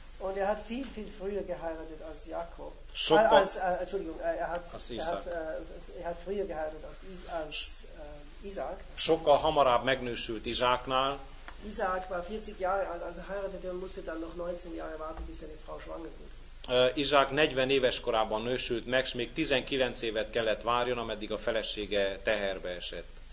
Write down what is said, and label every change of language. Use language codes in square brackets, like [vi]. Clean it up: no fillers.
[de] Und er hat viel, viel früher geheiratet als Jakob. Er hat früher geheiratet als Isaac. [hu] Sokkal hamarabb megnősült Izsáknál. [de] Isaac war 40 Jahre alt, also heiratete und musste dann noch 19 Jahre warten, bis seine Frau schwanger wurde. [hu] Izsák 40 éves korában nősült meg, és még 19 évet kellett várjon, ameddig a felesége teherbe esett.